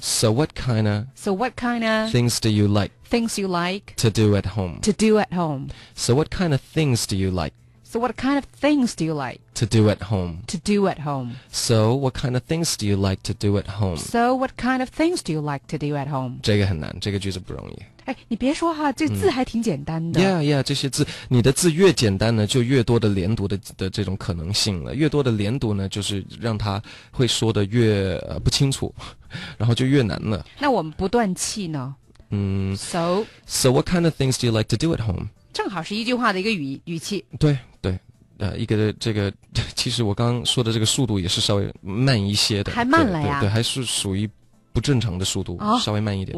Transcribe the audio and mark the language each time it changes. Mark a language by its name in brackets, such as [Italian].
[English] So what kind of things do you like? Things you like. To do at home. To do at home. So what kind of things do you like? So what kind of things do you like? To do at home. To do at home. So what kind of things do you like to do at home? So what kind of things do you like to do at home? [Chinese] 这个很难，这个句子不容易。哎，你别说哈，这字还挺简单的。 Yeah, 这些字，你的字越简单呢，就越多的连读的这种可能性了。越多的连读呢，就是让他会说的越不清楚，然后就越难了。那我们不断气呢？ [English] So what kind of things do you like to do at home? [Chinese] 正好是一句话的一个语气。对对，一个这个，其实我刚刚说的这个速度也是稍微慢一些的，还慢了呀？对，还是属于。不正常的速度、oh, 稍微慢一点